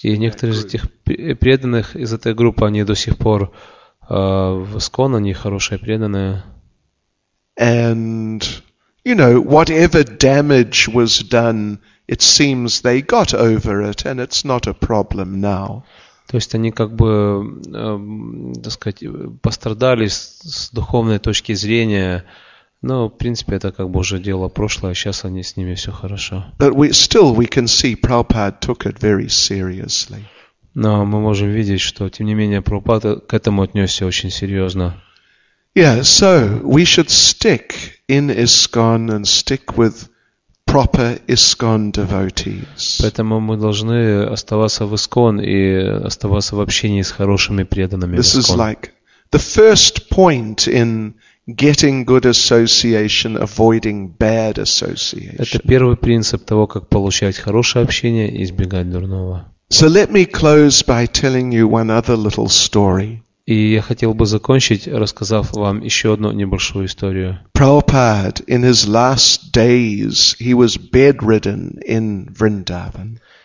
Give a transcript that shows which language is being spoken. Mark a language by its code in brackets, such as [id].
[ru] И некоторые из этих преданных из этой группы, они до сих пор в ISKCON, они хорошие преданные. [en] And you know, whatever damage was done, it seems they got over it and it's not a problem now. [ru] То есть они как бы, так сказать, пострадали с духовной точки зрения. Но, в принципе, это как бы уже дело прошлое, сейчас они с ними все хорошо. [en] But we still we can see Prabhupada took it very seriously. [ru] Но мы можем видеть, что тем не менее Прабхупада к этому отнесся очень серьезно. [en] Yeah, so we should stick in ISKCON and stick with proper ISKCON devotees. [ru] Поэтому мы должны оставаться в ISKCON и оставаться в общении с хорошими преданными в ISKCON. [en] This is like the first point in getting good association, avoiding bad association. [ru] Это первый принцип того, как получать хорошее общение и избегать дурного. [en] So let me close by telling you one other little story. [ru] И я хотел бы закончить, рассказав вам еще одну небольшую историю. [en] Prabhupada, in his last days, he was bedridden in Vrindavan.